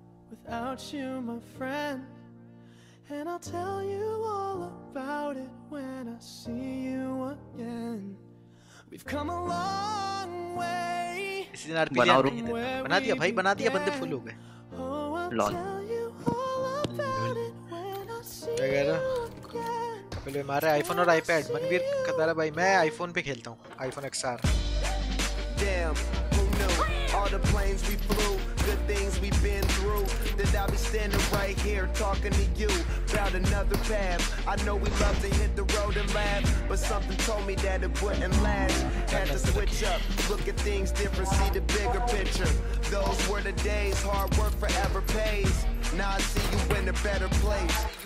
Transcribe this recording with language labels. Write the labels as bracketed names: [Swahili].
[English] without you, my friend. And I'll tell you all about it when I see you again. We've come a long way. [Hindi] पहले मारे iPhone और iPad Manveer कह रहा भाई मैं iPhone पे खेलता हूं iPhone XR [English] All the planes we flew, good things we've been through. Then I'll be standing right here talking to you about another path. I know we love to hit the road and laugh, but something told me that it wouldn't last. Had to switch up, look at things different, see the bigger picture. Those were the days, hard work forever pays. Now I see you in a better place.